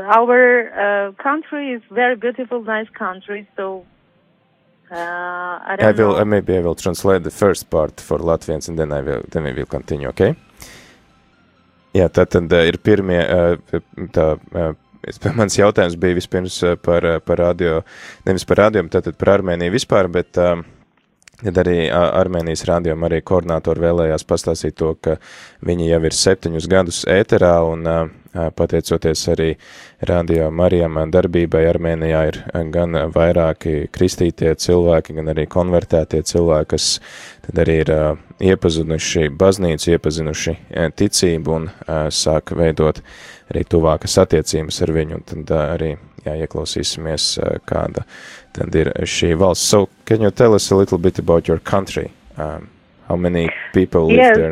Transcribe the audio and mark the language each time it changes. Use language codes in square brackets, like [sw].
[en] Our country is very beautiful, nice country, so... I will translate the first part for Latvians, and then we will continue, okay? [lv] Jā, tātad ir pirmie, mans jautājums bija vispirms par radio, nevis par radio, tātad par Armēniju vispār, bet arī Armēnijas radio arī koordinātori vēlējās pastāstīt to, ka viņi jau ir 7 gadus ēterā, un pateicoties arī Radio Marijam darbībai, Armēnijā ir gan vairāki kristītie cilvēki, gan arī konvertētie cilvēki, kas tad arī ir iepazinuši baznīcu, iepazinuši ticību un sāk veidot arī tuvākas attiecības ar viņu. Un tad arī ieklausīsimies, kāda tad ir šī valsts. [en] So, can you tell us a little bit about your country? How many people live there?